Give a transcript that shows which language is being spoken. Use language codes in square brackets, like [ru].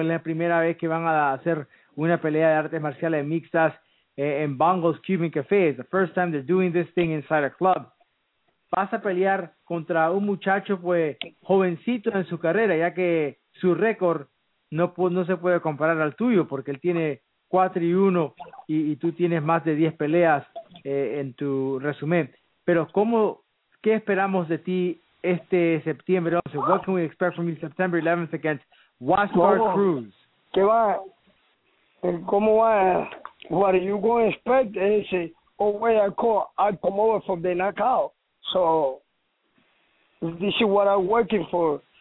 [es] Es la primera vez que van a hacer una pelea de artes marciales mixtas en Bongo's Cuban Cafe. [en] It's the first time they're doing this thing inside a club. [es] Vas a pelear contra un muchacho, pues, jovencito en su carrera, ya que su récord no se puede comparar al tuyo, porque él tiene 4-1 y tú tienes más de 10 peleas en tu resumen. Pero ¿qué esperamos de ti este septiembre 11. [en] What can we expect from you September 11th against Waspar Cruz? [es] ¿Qué va? ¿Cómo va? [en] What are you going to expect? It's a, oh, wait, I come over from the knockout. So this is what I'm working for.